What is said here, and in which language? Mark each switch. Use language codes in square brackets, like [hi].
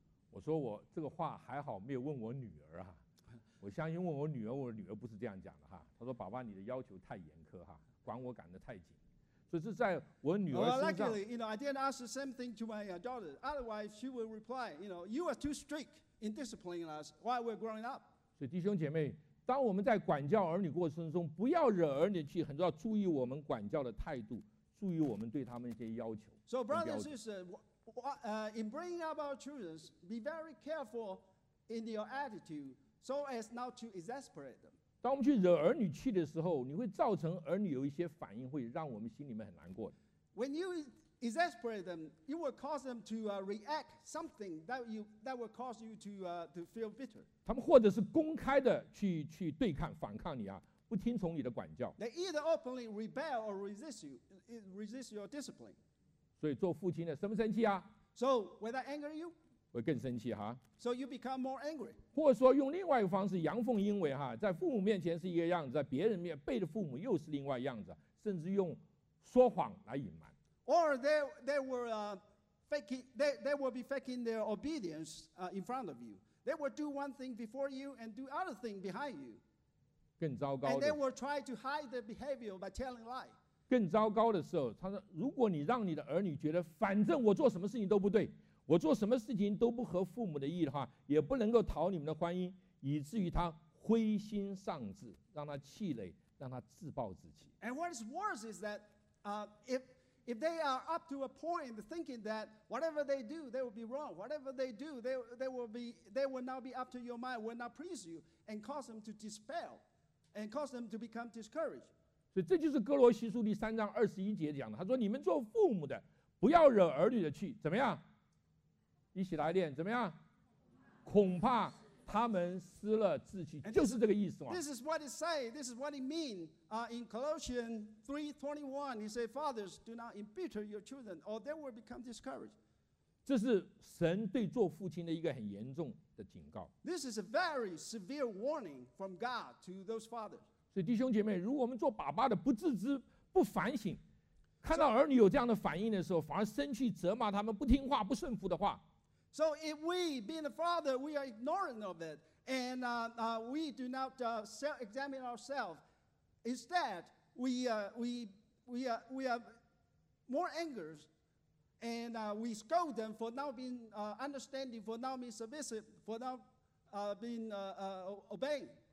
[zh] 我说我这个话还好没有问我女儿啊。我相信问我女儿，我女儿不是这样讲的哈。她说爸爸你的要求太严苛哈，管我管得太紧。所以是在我女儿身上。 [en] Well, luckily, you know, I didn't ask the same thing to my daughter. Otherwise, she would reply, you know, you are too strict in disciplining us while we're growing up. [zh] 所以弟兄姐妹，当我们在管教儿女过程中，不要惹儿女气，很重要，注意我们管教的态度，注意我们对他们一些要求。 [en] So brothers and sisters, in bringing up our children, be very careful in your attitude, so as not to exasperate them. [zh] 当我们去惹儿女气的时候，你会造成儿女有一些反应，会让我们心里面很难过的。 [en] When you exasperate them, you will cause them to react something that will cause you to feel bitter. [zh] 他们或者是公开的去对抗、反抗你啊，不听从你的管教。 [en] They either openly rebel or resist your discipline. [zh] 所以做父亲的生不生气啊 [en] ？So will that anger you? [zh] 会更生气哈。 [en] So you become more angry. [zh] 或者说用另外一个方式阳奉阴违哈，在父母面前是一个样子，在别人面背着父母又是另外样子，甚至用说谎来隐瞒。 [en] Or they will be faking their obedience in front of you. They will do one thing before you and do other thing behind you. [zh] 更糟糕的。 [en] And they will try to hide their behavior by telling lie. [zh] 更糟糕的时候，他说，如果你让你的儿女觉得，反正我做什么事情都不对，我做什么事情都不合父母的意的话，也不能够讨你们的欢心，以至于他灰心丧志，让他气馁，让他自暴自弃。 [en] And what is worse is that, if they are up to a point thinking that whatever they do, they will be wrong. Whatever they do, they will not be up to your mind, will not please you, and cause them to despair, and cause them to become discouraged. [zh] 所以这就是哥罗西书第三章二十一节讲的。他说：“你们做父母的，不要惹儿女的气，怎么样？一起来念，怎么样？恐怕他们失了志气，就是这个意思嘛。 [en] This is what it says. This is what it means. In Colossians 3:21, he says, "Fathers, do not embitter your children, or they will become discouraged." [zh] 这是神对做父亲的一个很严重的警告。 [en] This is a very severe warning from God to those fathers. [zh] 所以弟兄姐妹，如果我们做爸爸的不自知、不反省，看到儿女有这样的反应的时候，反而生气、责骂他们不听话、不顺服的话。 [en] So if we, being a father, we are ignorant of it, and we do not self-examine ourselves, instead, we are more angry, and we scold them for not being understanding, for not being submissive, for not being obeying.